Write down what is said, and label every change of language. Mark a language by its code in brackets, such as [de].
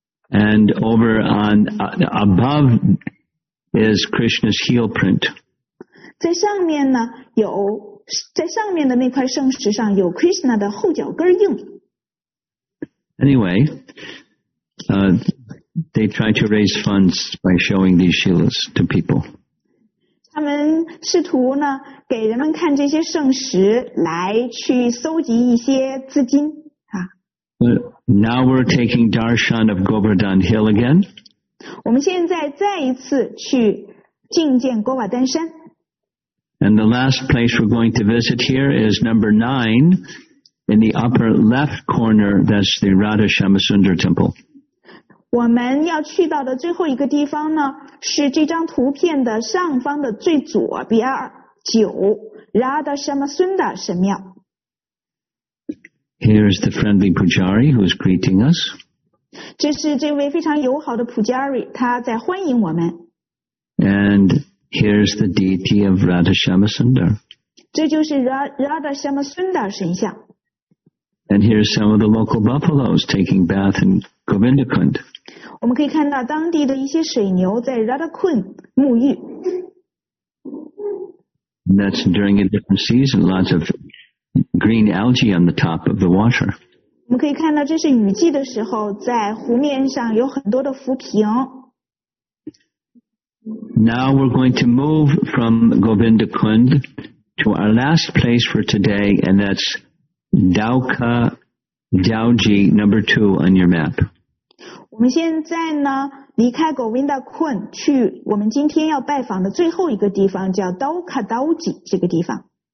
[en] And over on above is Krishna's heel print. [zh] 在上面呢，有在上面的那块圣石上有 Krishna 的后脚跟印。 [en] Anyway, they try to raise funds by showing these shilas to people. [zh] 他们试图呢给人们看这些圣石，来去搜集一些资金啊。 [en] Now we're taking darshan of Govardhan Hill again. [zh] 我们现在再一次去觐见 Govardhan 山。 [en] And the last place we're going to visit here is number 9 in the upper left corner. That's the Radha Shyamasundara Temple. [zh] 我们要去到的最后一个地方呢，是这张图片的上方的最左边9 Radha Shyamasundara 神庙。 [en] Here's the friendly Pujari who's greeting us. [zh] 这是这位非常友好的 Pujari， 他在欢迎我们。 [en] And here's the deity of Radha Shyamasundara. [zh] 这就是 Radha Shyamasundara 神像。 [en] And here's some of the local buffaloes taking bath in Govindakund. [zh] 我们可以看到当地的一些水牛在 Radhakund 沐浴。 [en] And that's during a different season, lots of green algae on the top of the water. [zh] 我们可以看到这是雨季的时候，在湖面上有很多的浮萍。 [en] Now we're going to move from Govindakund to our last place for today, and that's Dauka Dauji number 2 on your map. [zh] 我们现在呢离开 Govindakund 去我们今天要拜访的最后一个地方，叫 Dauka Dauji 这个地方。